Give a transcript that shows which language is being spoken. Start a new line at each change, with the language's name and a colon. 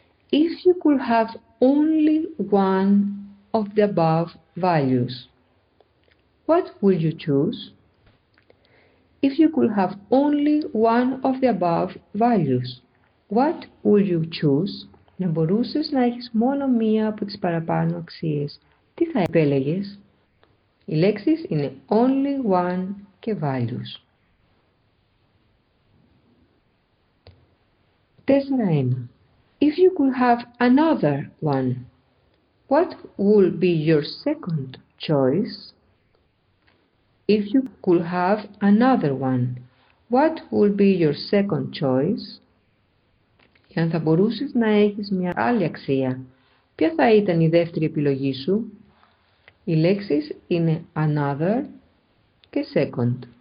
English: If you could have only one of the above values, what would you choose? If you could have only one of the above values, what would you choose?
Greek: Να μπορούσες να έχεις μόνο μία από τις παραπάνω αξίες. Τι θα επέλεγες? Οι λέξεις είναι
English: only one
Greek: και values. 4.1.
English: If you could have another one, what would be your second choice? If you could have another one, what would be your second choice?
Greek: Αν θα μπορούσες να έχεις μια άλλη αξία, ποια θα ήταν η δεύτερη επιλογή σου? Οι λέξεις είναι another και second.